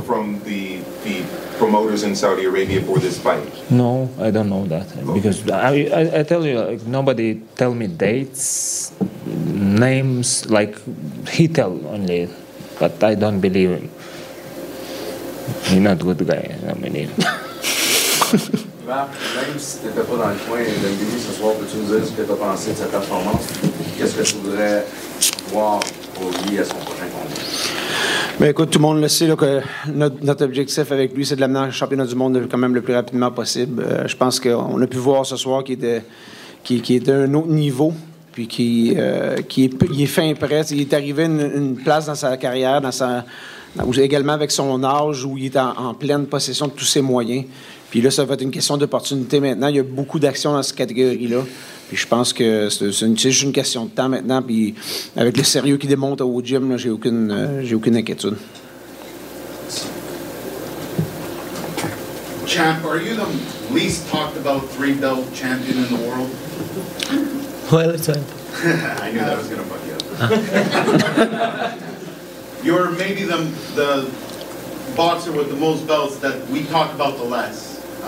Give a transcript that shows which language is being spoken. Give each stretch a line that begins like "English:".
English: from the promoters in Saudi Arabia for this fight. No, I don't know that. Okay. Because I tell you, like, nobody tell me dates, names. Like he tell only, but I don't believe him. He's not a good guy, I mean.
French: Marc, même si t'étais pas dans le coin de ce soir, peux-tu nous dire ce que t'as pensé de sa performance? Qu'est-ce que tu voudrais voir pour lui à son prochain combat? Ben écoute, tout le monde le sait là, que notre objectif avec lui, c'est de l'amener en championnat du monde quand même le plus rapidement possible. Je pense qu'on a pu voir ce soir qu'il était à un autre niveau. Puis qu'il est fin prêt. Il est arrivé une place dans sa carrière, également avec son âge, où il est en pleine possession de tous ses moyens. Puis là, ça va être une question d'opportunité maintenant. Il y a beaucoup d'actions dans cette catégorie-là. Puis je pense que c'est juste une question de temps maintenant. Puis avec le sérieux qu'il démontre au gym, là, j'ai aucune inquiétude.
English: Champ, are you the least talked about three belt champion in the world? Well, it's time. I knew that was going to fuck you up. You're maybe the boxer with the most belts that we talk about the less.